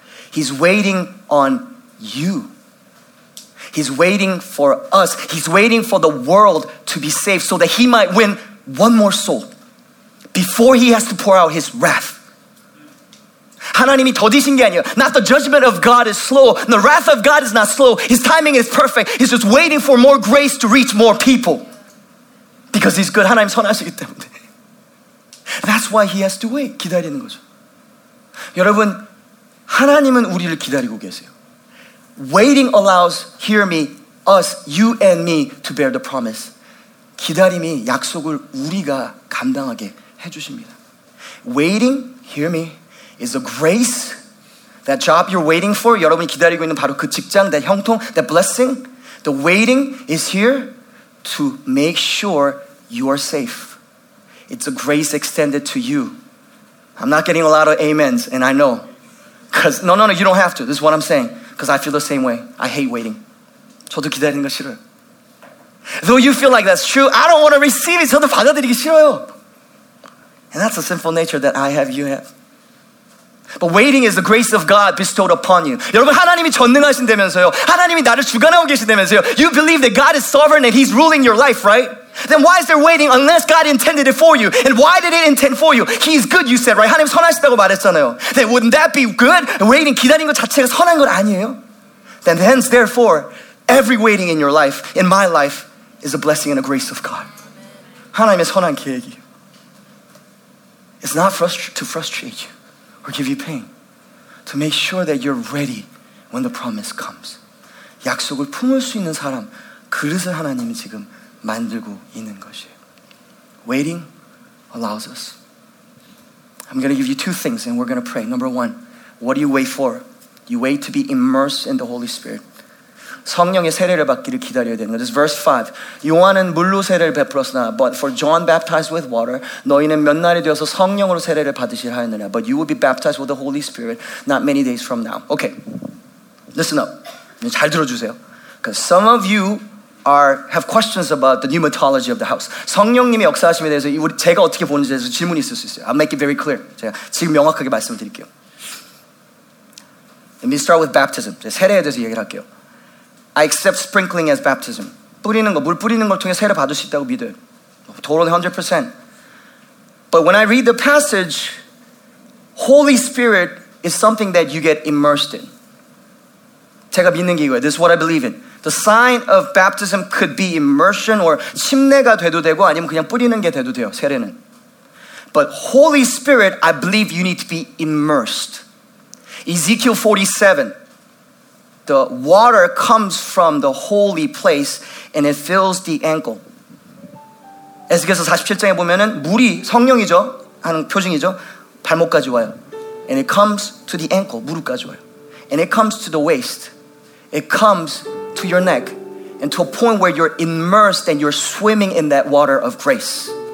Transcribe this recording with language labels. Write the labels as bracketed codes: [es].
[en] He's waiting on you. He's waiting for us. He's waiting for the world to be saved so that he might win one more soul before he has to pour out his wrath. [ko] 하나님이 더디신 게 아니에요. [en] Not the judgment of God is slow. The wrath of God is not slow. His timing is perfect. He's just waiting for more grace to reach more people. Because he's good. [ko] 하나님 선하시기 때문에. [en] That's why he has to wait. [ko] 기다리는 거죠. 여러분, 하나님은 우리를 기다리고 계세요. [en] Waiting allows, hear me, us, you and me, to bear the promise. [ko] 기다림이 약속을 우리가 감당하게 해주십니다. [en] Waiting, hear me, is a grace. That job you're waiting for, [ko] 여러분이 기다리고 있는 바로 그 직장, [en] that 형통, that blessing. The waiting is here to make sure you are safe. It's a grace extended to you. I'm not getting a lot of amens, and I know. Because, no, you don't have to. This is what I'm saying. Because I feel the same way. I hate waiting. [ko] 저도 기다리는 거 싫어요. [en] Though you feel like that's true, I don't want to receive it. [ko] 저도 받아들이기 싫어요. [en] And that's a sinful nature that I have, you have. But waiting is the grace of God bestowed upon you. [ko] 여러분, 하나님이 전능하신다면서요. 하나님이 나를 주관하고 계신다면서요. [en] You believe that God is sovereign and he's ruling your life, right? Then why is there waiting unless God intended it for you? And why did it intend for you? He's good, you said, right? [ko] 하나님 선하시다고 말했잖아요. [en] Then wouldn't that be good? Waiting, [ko] 기다린 것 자체가 선한 건 아니에요. [en] Then hence, therefore, every waiting in your life, in my life, is a blessing and a grace of God. [ko] 하나님의 선한 계획이. [en] It's not to frustrate you or give you pain. To make sure that you're ready when the promise comes. [ko] 약속을 품을 수 있는 사람, 그릇을 하나님이 지금 만들고 있는 것이에요. [en] Waiting allows us. I'm going to give you two things and we're going to pray. Number one, what do you wait for? You wait to be immersed in the Holy Spirit. [ko] 성령의 세례를 받기를 기다려야 되는 거죠. [en] Verse 5. [ko] 요한은 물로 세례를 베풀었으나 [en] but for John baptized with water, [ko] 너희는 몇 날이 되어서 성령으로 세례를 받으시라 하였느냐 [en] but you will be baptized with the Holy Spirit not many days from now. Okay, listen up. [ko] 잘 들어주세요. [en] Because some of you have questions about the pneumatology of the house. [ko] 성령님의 역사하심에 대해서 제가 어떻게 보는지에 대해서 질문이 있을 수 있어요. [en] I'll make it very clear. [ko] 제가 지금 명확하게 말씀을 드릴게요. [en] Let me start with baptism. [ko] 세례에 대해서 얘기를 할게요. [en] I accept sprinkling as baptism. [ko] 뿌리는 거, 물 뿌리는 걸 통해 세례 받을 수 있다고 믿어요. [en] Totally 100%. But when I read the passage, Holy Spirit is something that you get immersed in. [ko] 제가 믿는 게 이거예요. [en] This is what I believe in. The sign of baptism could be immersion or [ko] 침례가 돼도 되고 아니면 그냥 뿌리는 게 돼도 돼요, 세례는. [en] But Holy Spirit, I believe you need to be immersed. Ezekiel 47, the water comes from the holy place and it fills the ankle. [ko] 에스겔서 47장에 보면은 물이 성령이죠, 하는 표징이죠, 발목까지 와요. [en] And it comes to the ankle, [ko] 무릎까지 와요. [en] And it comes to the waist. It comes to your neck and to a point where you're immersed and you're swimming in that water of grace.